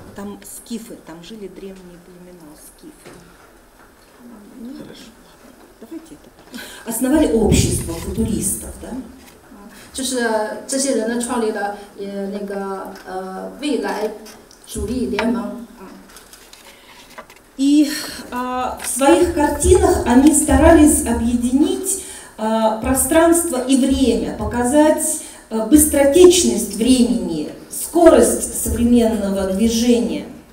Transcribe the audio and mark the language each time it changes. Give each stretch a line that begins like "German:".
Russian: Там скифы, там жили древние племена скифы. Хорошо. Давайте это. Основали общество футуристов, да?
Chinese: 就是这些人呢创立了那个未来主义联盟.
Russian: И в своих картинах они старались объединить пространство и время, показать быстротечность времени, скорость современного движения.